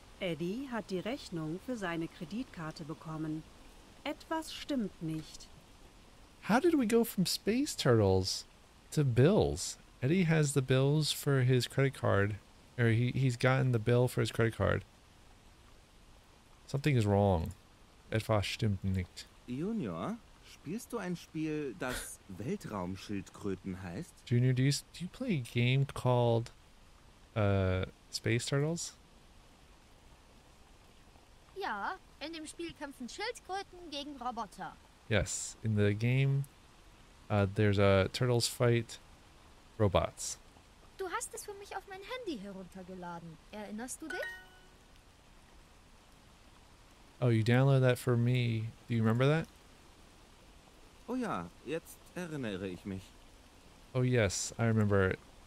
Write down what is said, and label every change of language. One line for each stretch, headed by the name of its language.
German: Eddie hat die Rechnung für seine Kreditkarte bekommen. Etwas stimmt nicht.
English: How did we go from space turtles to bills? Eddie has the bills for his credit card, or he's gotten the bill for his credit card. Something is wrong.
German: Etwas stimmt nicht. Junior, spielst du ein Spiel, das Weltraumschildkröten heißt?
English: Junior, do you play a game called Space Turtles?
German: Ja, in dem Spiel kämpfen Schildkröten gegen Roboter.
English: Yes, in the game there's a turtles fight robots.
German: Du hast es für mich auf mein Handy heruntergeladen. Erinnerst du dich?
English: Oh, you downloaded that for me. Do you remember that?
German: Oh ja, jetzt erinnere ich mich.
English: Oh yes, I remember it.